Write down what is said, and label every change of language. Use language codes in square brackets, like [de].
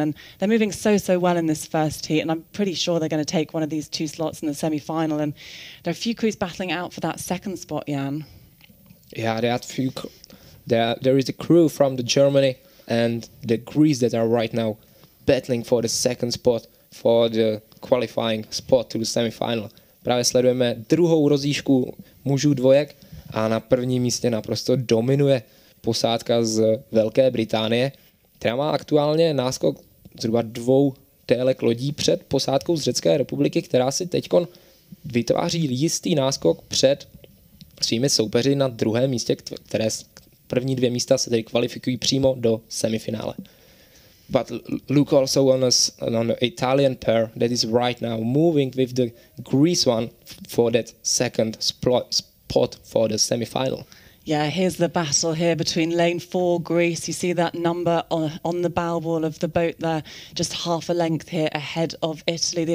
[en] And they're moving so, so well in this first heat. And I'm pretty sure they're going to take one of these two slots in the semi-final. And there are a few crews battling out for that second spot, Jan. Yeah, they had a few... There is a crew from the Germany and the Greece that are right now battling for the second spot for the qualifying spot to the semifinal. [cs] Právě sledujeme druhou rozíšku mužů dvojek a na prvním místě naprosto dominuje posádka z Velké Británie, která má aktuálně náskok zhruba 2 TLK lodí před posádkou z Řecké republiky, která si teďkon vytváří jistý náskok před svými soupeři na druhém místě, které první 2 místa se tedy kvalifikují přímo do semifinále. [en] But look also on us on the Italian pair that is right now moving with the Greece one for that second spot for the semifinal. Yeah, here's the battle here between lane 4, Greece. You see that number on the bow wall of the boat there, just half a length here ahead of Italy.